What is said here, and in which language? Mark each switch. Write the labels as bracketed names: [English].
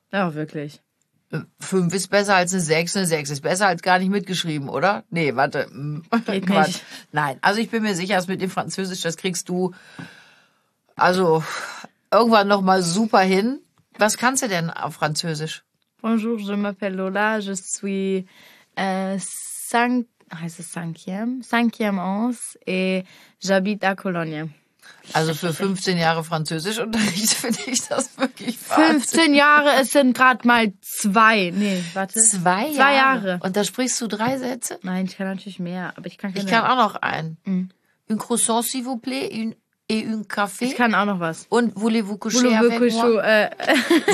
[German] Oh, wirklich. 5 ist besser als eine 6, eine 6 ist besser als gar nicht mitgeschrieben, oder? Nee, warte. Geht Quatsch. Nicht. Nein, also ich bin mir sicher, mit dem Französisch, das kriegst du also irgendwann nochmal super hin. Was kannst du denn auf Französisch? [French] Bonjour, je m'appelle Lola, je suis cinquième ans et j'habite à Cologne. [German] Also für 15 Jahre Französischunterricht finde ich das wirklich wahnsinnig. 15 Jahre, es sind gerade mal 2. Nee, warte. 2 Jahre. Und da sprichst du 3 Sätze? Nein, ich kann natürlich mehr, aber ich kann keine. Ich kann auch noch einen. Mhm. [French] Un croissant, s'il vous plaît, et un café. [German] Ich kann auch noch was. [French] Und voulez-vous coucher avec moi?